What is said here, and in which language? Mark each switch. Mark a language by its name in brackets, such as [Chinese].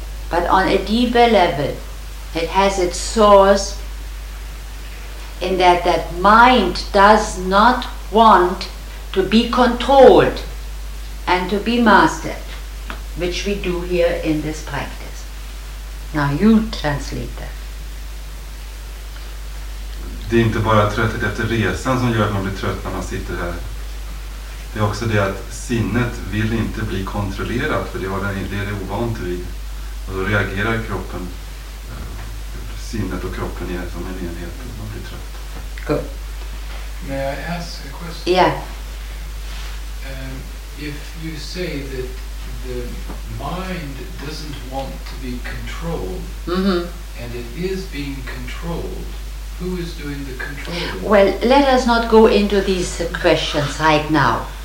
[English] But on a deeper level, it has its source in that mind does not want to be controlled and to be mastered, which we do here in this practice. Now you translate that. [Swedish] Det är inte bara trötthet efter resan som gör att man blir trött när man sitter här. Det är också det att sinnet vill inte bli kontrollerat, för det har den idén är ovant vid. Och då reagerar kroppen, sinnet och kroppen är som en enhet och man blir trött. [English] Good. May I ask a question? Yeah. If you say that the mind doesn't want to be controlled, and it is being controlled, who is doing the controlling? Well, let us not go into these questions right now.